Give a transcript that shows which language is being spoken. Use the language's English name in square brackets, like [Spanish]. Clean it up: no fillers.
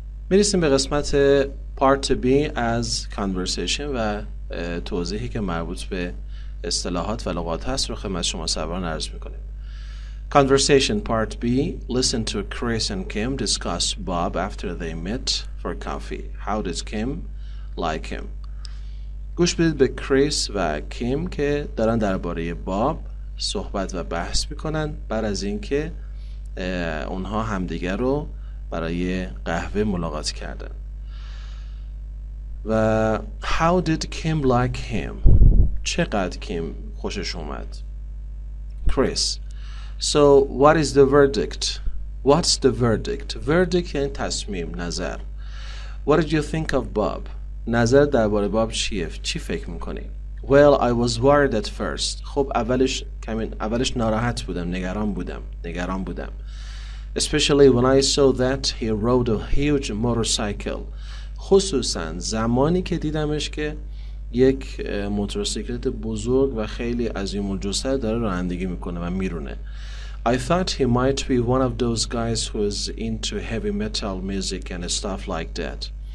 [Persian] میرسیم به قسمت پارت بی از کانورسیشن و توضیحی که مربوط به اصطلاحات و لغات هست رو خدمت شما سروران عرض میکنیم. [English] Conversation Part B. Listen to Chris and Kim discuss Bob after they met for coffee. How did Kim like him? [Persian] گوش بدید به کریس و کیم که دارن درباره باب صحبت و بحث میکنن بعد از اینکه اونها همدیگر رو برای قهوه ملاقات کردن. [English] و How did Kim like him? [Persian] چقدر کیم خوشش اومد؟ [English] Chris, so what is the verdict? What's the verdict? Verdict [Persian] یعنی تصمیم، نظر. [English] What did you think of Bob? [Persian] نظر درباره باب چیه؟ چی فکر میکنی؟ [English] Well, I was worried at first. [Persian] خب اولش کمی اولش ناراحت بودم، نگران بودم. [English] Especially when I saw that he rode a huge motorcycle. [Persian] خصوصا زمانی که دیدمش که یک موتورسیکلت بزرگ و خیلی عظیم الجثه داره رانندگی میکنه و میرونه. [English] I thought he might be one of those guys who is into heavy metal music and stuff like that.